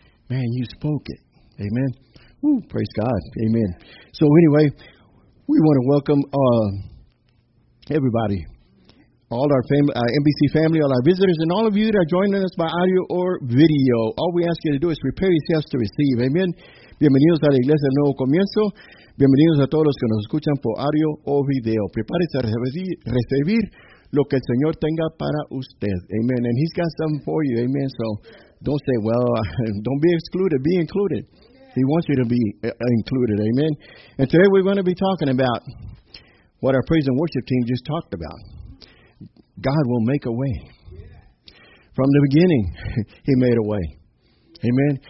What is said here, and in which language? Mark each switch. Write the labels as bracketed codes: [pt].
[en] Man, you spoke it. Amen. Ooh, praise God. Amen. So anyway, we want to welcome everybody. All our NBC family, all our visitors, and all of you that are joining us by audio or video. All we ask you to do is prepare yourselves to receive. Amen. [es] Bienvenidos a la Iglesia del Nuevo Comienzo. Bienvenidos a todos los que nos escuchan por audio o video. Prepárese a recibir lo que el Señor tenga para usted. [en] Amen. And he's got something for you. Amen. So don't say, well, don't be excluded. Be included. He wants you to be included. Amen. And today we're going to be talking about what our praise and worship team just talked about. God will make a way. From the beginning, he made a way. Amen.